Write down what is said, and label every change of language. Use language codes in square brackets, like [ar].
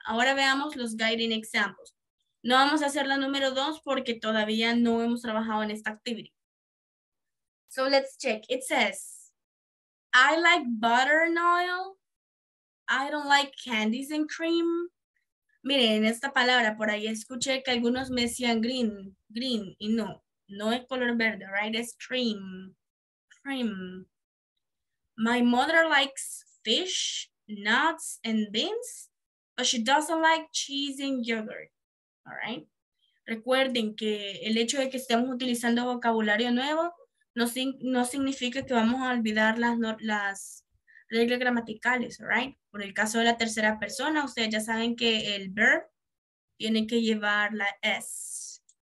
[es] Ahora veamos los guiding examples. No vamos a hacer la número dos porque todavía no hemos trabajado en esta actividad. [en] So let's check. It says, I like butter and oil. I don't like candies and cream. [es] Miren, en esta palabra, por ahí escuché que algunos me decían green, y no, no es color verde, right? Es cream. [en] My mother likes fish, nuts, and beans, but she doesn't like cheese and yogurt. All right? [es] Recuerden que el hecho de que estemos utilizando vocabulario nuevo no significa que vamos a olvidar las reglas gramaticales, right? Por el caso de la tercera persona, ustedes ya saben que el verb tiene que llevar la S.